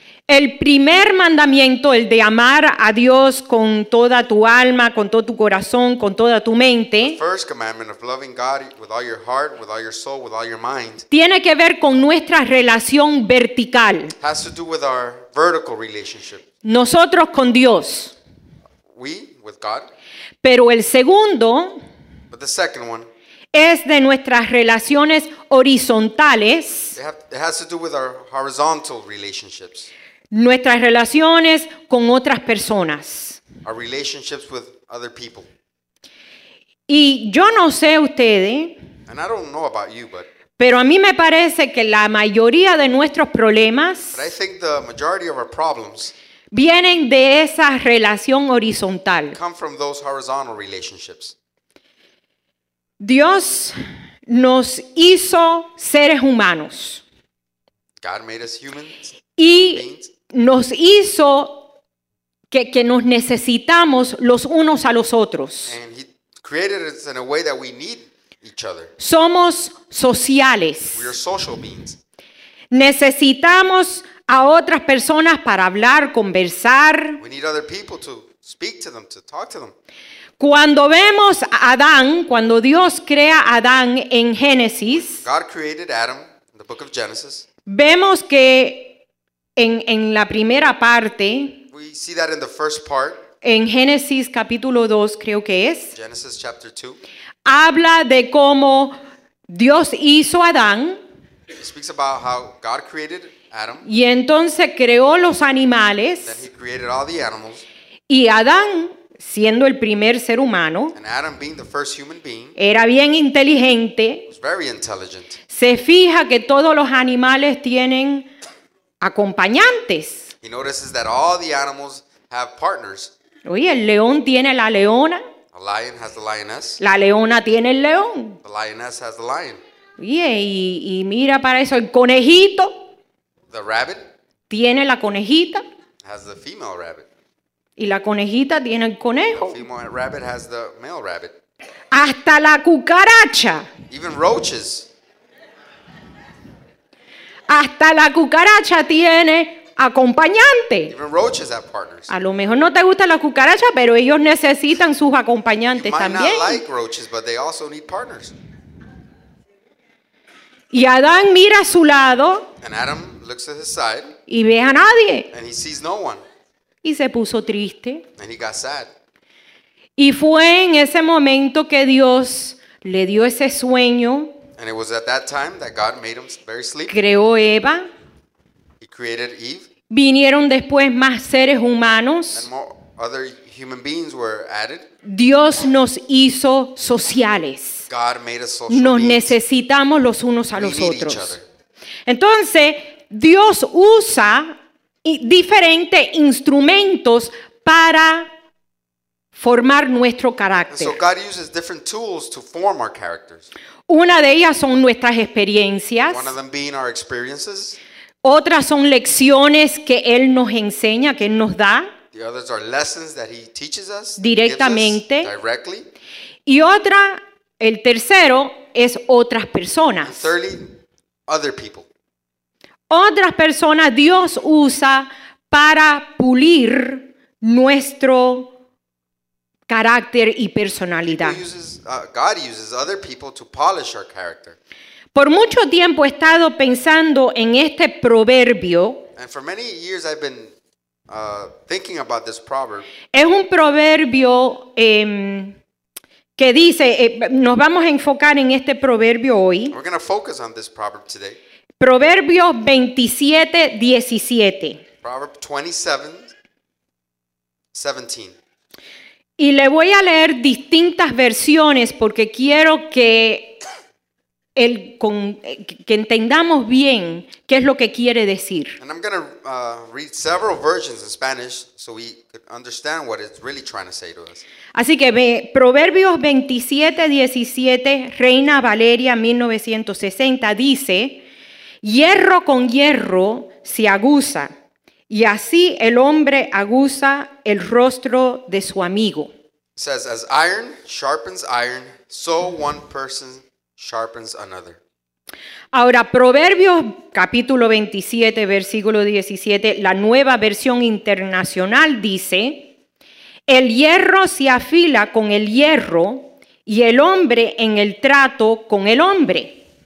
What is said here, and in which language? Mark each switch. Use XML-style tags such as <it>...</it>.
<es>El primer mandamiento, el de amar a Dios con toda tu alma, con todo tu corazón, con toda tu mente.</es> <en>The first commandment of loving God with all your heart, with all your soul, with all your mind.</en> <es>Tiene que ver con nuestra relación vertical.</es> <en>Has to do with our vertical relationship.</en> <es>Nosotros con Dios.</es> <en>We with God.</en> <es>Pero el segundo.</es> <en>But the second one.</en> <es>Es de nuestras relaciones horizontales.</es> <en>It has to do with our horizontal relationships.</en> <es>Nuestras relaciones con otras personas.</es> <en>Our relationships with other people.</en> <es>Y yo no sé ustedes.</es> <en>And I don't know about you, but.</en> <es>Pero a mí me parece que la mayoría de nuestros problemas.</es> <en>But I think the majority of our problems.</en> <es>Vienen de esa relación horizontal.</es> <en>Come from those horizontal relationships.</en> <es>Dios nos hizo seres humanos.</es> <en>God made us humans.</en> <es>Y nos hizo que nos necesitamos los unos a los otros.</es> <en>And he created us in a way that we need each other.</en> <es>Somos sociales.</es> <en>We are social beings.</en> <es>Necesitamos a otras personas para hablar, conversar.</es> <en>We need other people to speak to them, to talk to them.</en> <es>Cuando vemos a Adán, cuando Dios crea a Adán en Génesis,</es> <en>God created Adam in the book of Genesis,</en> <es>vemos que en la primera parte,</es> <en>we see that in the first part,</en> <es>en Génesis capítulo 2, creo que es,</es> <en>Genesis chapter 2,</en> <es>habla de cómo Dios hizo a Adán,</es> <en>it speaks about how God created Adam,</en> <es>y entonces creó los animales,</es> <en>then he created all the animals,</en> <es>y Adán, siendo el primer ser humano,</es> <en>and Adam being the first human being,</en> <es>era bien inteligente.</es> <en>Was very intelligent.</en> <es>Se fija que todos los animales tienen acompañantes.</es> <en>He notices that all the animals have partners.</en> <es>Oye, el león tiene la leona.</es> <en>A lion has the lioness.</en> <es>La leona tiene el león.</es> <en>The lioness has the lion.</en> <es>Oye, y mira para eso, el conejito.</es> <en>The rabbit.</en> <es>Tiene la conejita.</es> <en>Has the female rabbit.</en> <es>Y la conejita tiene el conejo.</es> <en>The female rabbit has the male rabbit.</en> <es>Hasta la cucaracha.</es> <en>Even roaches.</en> <es>Hasta la cucaracha tiene acompañante.</es> <en>Even roaches have partners.</en> <es>A lo mejor no te gusta la cucaracha, pero ellos necesitan sus acompañantes también.</es> <en>You might not like roaches, but they also need partners.</en> <es>Y Adán mira a su lado.</es> <en>And Adam looks at his side.</en> <es>Y ve a nadie.</es> <en>And he sees no one.</en> <es>Y se puso triste.</es> <en>And he got sad.</en> <es>Y fue en ese momento que Dios le dio ese sueño.</es> <en>And it was at that time that God made him very sleep.</en> <es>Creó Eva.</es> <en>He created Eve.</en> <es>Vinieron después más seres humanos.</es> <en>And more other human beings were added.</en> <es>Dios nos hizo sociales.</es> <en>God made us social beings.</en> <es>Nos necesitamos los unos a los otros.</es> <en>We need each other.</en> <es>Entonces, Dios usa diferentes instrumentos para formar nuestro carácter.</es> <en>And so God uses different tools to form our characters.</en> <es>Una de ellas son nuestras experiencias.</es> <en>One of them being our experiences.</en> <es>Otras son lecciones que Él nos enseña, que Él nos da.</es> <en>The others are lessons that He teaches us.</en> <es>Directamente.</es> <en>Gives us directly.</en> <es>Y otra, el tercero, es otras personas.</es> <en>And thirdly, other people.</en> <es>Otras personas Dios usa para pulir nuestro carácter y personalidad.</es> <en>God uses other people to polish our character.</en> <es>Por mucho tiempo he estado pensando en este proverbio.</es> <en>And for many years I've been thinking about this proverb.</en> <es>Es un proverbio que dice, nos vamos a enfocar en este proverbio hoy.</es> <en>We're going to focus on this proverb today.</en> <es>Proverbios 27, 17.</es> <en>Proverbs 27, 17.</en> <es>Y le voy a leer distintas versiones porque quiero que entendamos bien qué es lo que quiere decir.</es> <en>And I'm going to read several versions in Spanish so we could understand what it's really trying to say to us.</en> <es>Así que Proverbios 27, 17, Reina Valeria 1960, dice: Hierro con hierro se aguza, y así el hombre aguza el rostro de su amigo.</es> <en>It says, as iron sharpens iron, so one person sharpens another.</en> <es>Ahora, Proverbios capítulo 27, versículo 17, la Nueva Versión Internacional dice: El hierro se afila con el hierro, y el hombre en el trato con el hombre.</es>